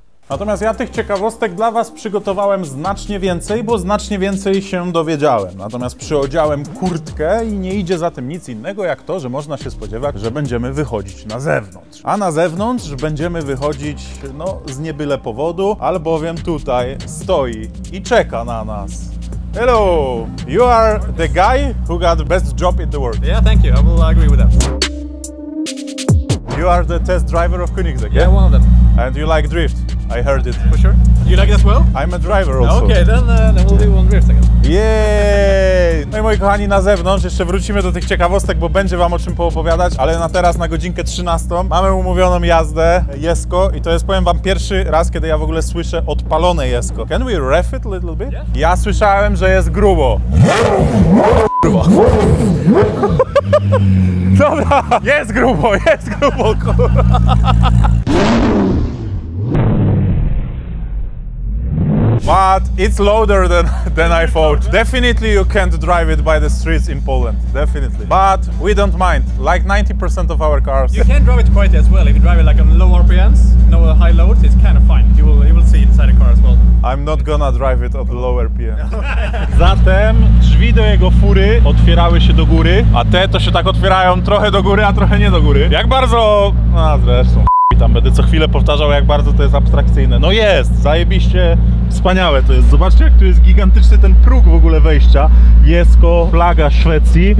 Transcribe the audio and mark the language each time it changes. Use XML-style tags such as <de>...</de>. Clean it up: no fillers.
<pl>Natomiast ja tych ciekawostek dla was przygotowałem znacznie więcej, bo znacznie więcej się dowiedziałem. Natomiast przyodziałem kurtkę i nie idzie za tym nic innego, jak to, że można się spodziewać, że będziemy wychodzić na zewnątrz. A na zewnątrz będziemy wychodzić, no, z niebyle powodu, albowiem tutaj stoi i czeka na nas.</pl> <en>Hello! You are the guy who got the best job in the world. Yeah, thank you. I will agree with that. You are the test driver of Koenigsegg, yeah? Yeah, one of them. And you like drift? I heard it. For sure. You like it as well? I'm a driver also. Okay, then we'll do one drift again. Yay!</en> <pl>No i moi kochani, na zewnątrz jeszcze wrócimy do tych ciekawostek, bo będzie wam o czym poopowiadać, ale na teraz, na godzinkę 13, mamy umówioną jazdę Jesko i to jest, powiem wam, pierwszy raz, kiedy ja w ogóle słyszę odpalone Jesko.</pl> <en>Can we ref it a little bit? Yeah.</en> <pl>Ja słyszałem, że jest grubo. Kurwa. Dobra, jest grubo, kurwa.</pl> <en>But it's louder than I thought. Definitely you can't drive it by the streets in Poland. Definitely. But we don't mind. Like 90% of our cars. You can drive it quietly as well. If you drive it like on low RPMs, no high loads, it's kind of fine. You will see inside the car as well. I'm not gonna drive it at low RPM.</en> <pl>Zatem drzwi do jego fury otwierały się do góry, a te to się tak otwierają trochę do góry, a trochę nie do góry. Jak bardzo... No zresztą. Tam będę co chwilę powtarzał, jak bardzo to jest abstrakcyjne. No jest, zajebiście wspaniałe to jest. Zobaczcie, jak tu jest gigantyczny ten próg w ogóle wejścia. Jest to flaga Szwecji.</pl>